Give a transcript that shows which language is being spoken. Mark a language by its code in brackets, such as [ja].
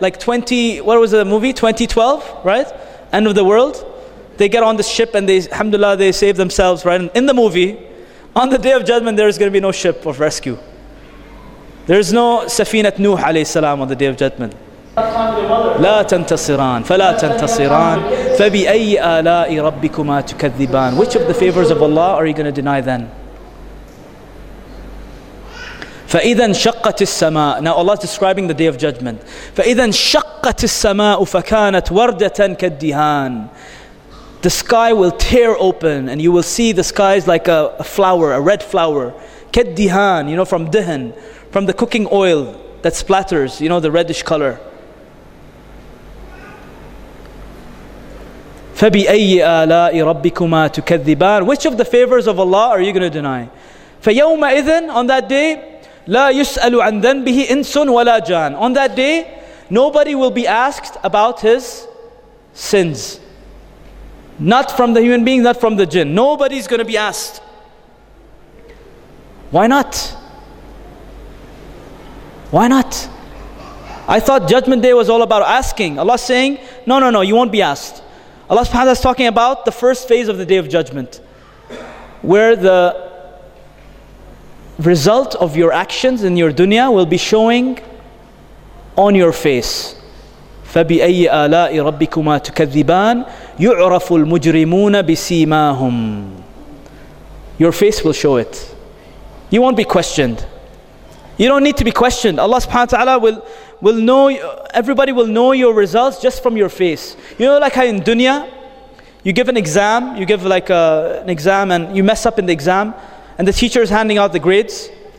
[en] Like 20, what was the movie? 2012, right? End of the world. They get on the ship and they, alhamdulillah, they save themselves, right? In the movie, on the Day of Judgment, there is going to be no ship of rescue. There is no Safinat Nuh alayhi salam on the Day of Judgment. [ar] لا تنتصران فلا تنتصران فبأي آلاء ربكما تكذبان. [en] Which of the favors of Allah are you going to deny then? [ar] فإذا شقت السماء. [en] Now Allah is describing the Day of Judgment. [ar] فإذا شقت السماء فكانت وردة كالدهان. [en] The sky will tear open and you will see the skies like a flower, a red flower. كالدهان, you know, from dihan, from the cooking oil that splatters, you know, the reddish color. [ar] فَبِأَيِّ آلَاءِ رَبِّكُمَا تُكَذِّبَانِ [en] Which of the favors of Allah are you going to deny? فَيَوْمَئِذٍ On that day, [ar] لَا يُسْأَلُ عَنْ ذَنْبِهِ إِنْسٌ وَلَا جَانٌ [en] On that day, nobody will be asked about his sins. Not from the human being, not from the jinn. Nobody's going to be asked. Why not? Why not? I thought Judgment Day was all about asking. Allah's saying, no, you won't be asked. Allah subhanahu wa ta'ala is talking about the first phase of the Day of Judgment, where the result of your actions in your dunya will be showing on your face. [ar] فَبِأَيِّ آلَاءِ رَبِّكُمَا تُكَذِّبَانِ يُعْرَفُ الْمُجْرِمُونَ بِسِيمَاهُمْ [en] Your face will show it. You won't be questioned. You don't need to be questioned. Allah subhanahu wa ta'ala will know, everybody will know your results just from your face. You know, like how in dunya, you give an exam and you mess up in the exam and the teacher is handing out the grades.